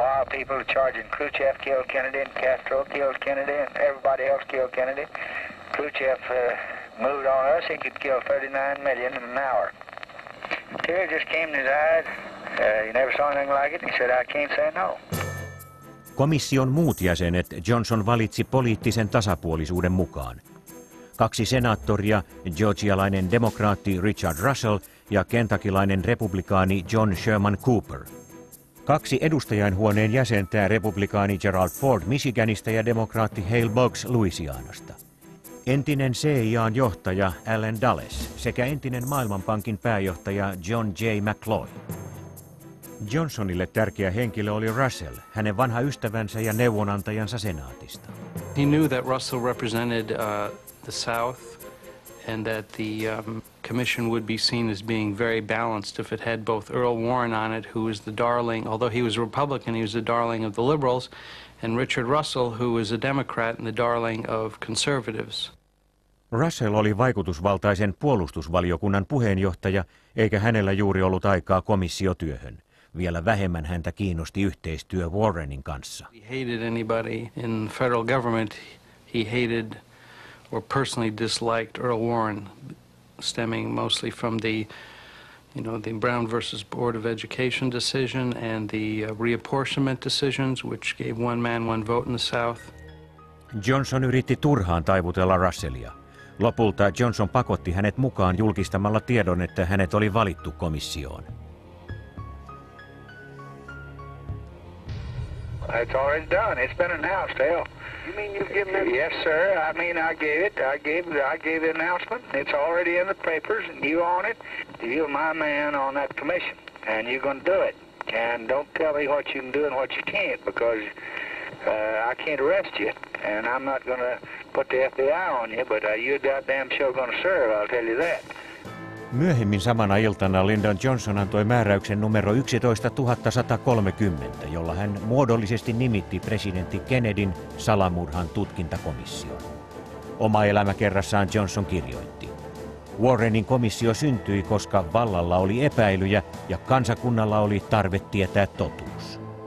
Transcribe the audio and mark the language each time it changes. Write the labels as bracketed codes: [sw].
[en] People charging Khrushchev killed Kennedy and Castro killed Kennedy and everybody else killed Kennedy. Khrushchev moved on us. He could kill 39 million in an hour. Tears just came in his eyes. He never saw anything like it. He said, I can't say no. [fi] Komission muut jäsenet Johnson valitsi poliittisen tasapuolisuuden mukaan. Kaksi senaattoria, georgialainen demokraatti Richard Russell ja kentakilainen republikaani John Sherman Cooper. Kaksi edustajainhuoneen jäsentää, republikaani Gerald Ford Michiganista ja demokraatti Hale Boggs Louisianasta. Entinen CIA:n johtaja Allen Dulles sekä entinen Maailmanpankin pääjohtaja John J. McCloy. Johnsonille tärkeä henkilö oli Russell, hänen vanha ystävänsä ja neuvonantajansa senaatista. [en] He knew that Russell represented the South and that the commission would be seen as being very balanced if it had both Earl Warren on it, who was the darling, although he was a Republican, he was the darling of the liberals, and Richard Russell, who was a Democrat and the darling of conservatives. [fi] Russell oli vaikutusvaltaisen puolustusvaliokunnan puheenjohtaja, eikä hänellä juuri ollut aikaa komissiotyöhön. Vielä vähemmän häntä kiinnosti yhteistyö Warrenin kanssa. [en] He hated anybody in federal government. He hated or personally disliked Earl Warren, stemming mostly from the, you know, the Brown versus Board of Education decision and the reapportionment decisions, which gave one man one vote in the South. [fi] Johnson yritti turhaan taivutella Russellia. Lopulta Johnson pakotti hänet mukaan julkistamalla tiedon, että hänet oli valittu komissioon. [en] It's already done. It's been announced, Hale. You mean you've given it? Yes, sir. I mean, I gave it. I gave the announcement. It's already in the papers, and you on it. You're my man on that commission, and you're going to do it. And don't tell me what you can do and what you can't, because I can't arrest you, and I'm not going to put the FBI on you, but you're goddamn sure going to serve, I'll tell you that. [fi] Myöhemmin samana iltana Lyndon Johnson antoi määräyksen numero 11130, jolla hän muodollisesti nimitti presidentti Kennedyn salamurhan tutkintakomission. Oma elämäkerrassaan Johnson kirjoitti. Warrenin komissio syntyi, koska vallalla oli epäilyjä ja kansakunnalla oli tarve tietää totuus.